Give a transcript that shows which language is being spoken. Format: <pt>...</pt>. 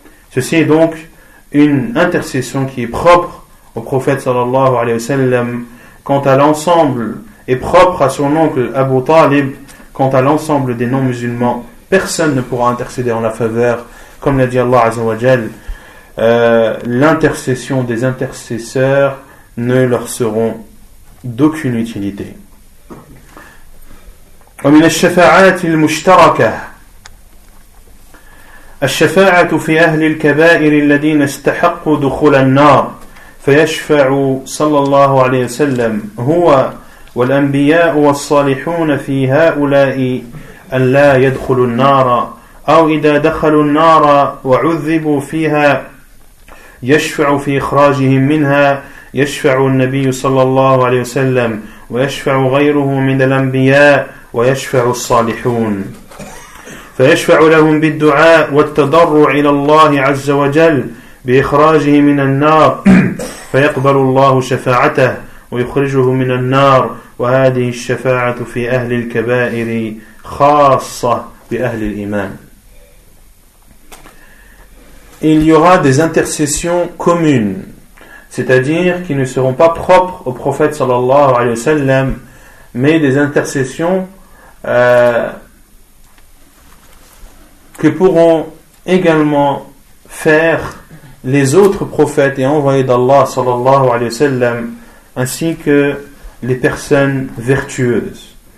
<fr>Ceci est donc une intercession qui est propre au prophète sallallahu alayhi wa sallam quant à l'ensemble et propre à son oncle Abu Talib quant à l'ensemble des non-musulmans. Personne ne pourra intercéder en la faveur, comme l'a dit Allah Azza wa Jal, l'intercession des intercesseurs ne leur seront d'aucune utilité.</fr> <ar>ومن الشفاعات المشتركة الشفاعة في أهل الكبائر الذين استحقوا دخول النار فيشفع صلى الله عليه وسلم هو والأنبياء والصالحون في هؤلاء أن لا يدخلوا النار أو إذا دخلوا النار وعذبوا فيها يشفع في إخراجهم منها يشفع النبي صلى الله عليه وسلم ويشفع غيره من الأنبياء ويشفع الصالحون فيشفع لهم بالدعاء والتضرع إلى الله عز وجل بإخراجه من النار فيقبل الله شفاعته ويخرجه من النار وهذه الشفاعة في أهل الكبائر خاصة بأهل الإيمان.</ar> <fr>il y aura des intercessions communes, c'est-à-dire qui ne seront pas propres au prophète sallallahu alayhi wa sallam, mais des intercessions que pourront également faire les autres prophètes et envoyés d'Allah sallallahu alayhi wa sallam, ainsi que les personnes vertueuses.</fr>